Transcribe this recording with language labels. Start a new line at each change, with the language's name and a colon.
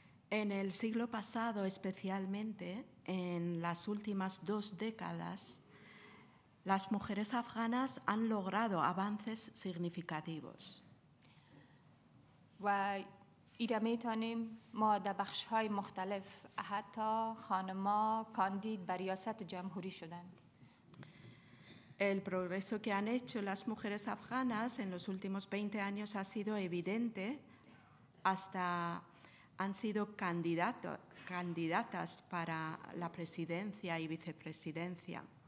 Spanish: En el siglo pasado, especialmente en las últimas dos décadas, las mujeres afganas han logrado avances significativos.
Persian: و ایره میتونیم ما در بخش های مختلف حتی خانما کاندید بر ریاست جمهوری شدن.
Spanish: El progreso que han hecho las mujeres afganas en los últimos 20 años ha sido evidente, hasta han sido candidatas para la presidencia y vicepresidencia.